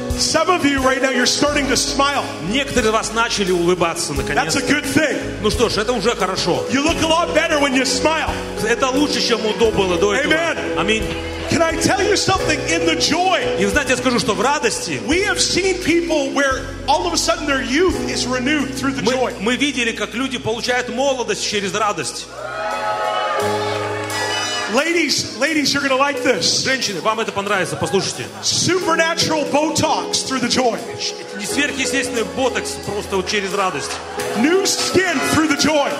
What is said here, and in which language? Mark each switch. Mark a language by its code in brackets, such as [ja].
[en] Some of you right now, you're starting to smile. [ru] Некоторые из вас начали улыбаться наконец. [en] That's a good thing. [ru] Ну что ж, это уже хорошо. [en] You look a lot better when you smile. [ru] Это лучше, чем удобно до этого. [en] Amen. [ru] Аминь. [en] Can I tell you something in the joy? [ru] И знаете, я скажу, что в радости. [en] We have seen people where all of a sudden their youth is renewed through the joy. [ru] Мы видели, как люди получают молодость через радость. [en] Ladies, you're going to like this. [ru] Женщины, вам это понравится, послушайте. [en] Supernatural Botox through the joy. [ru] Сверхъестественный ботокс просто вот через радость. [en] New skin through the joy.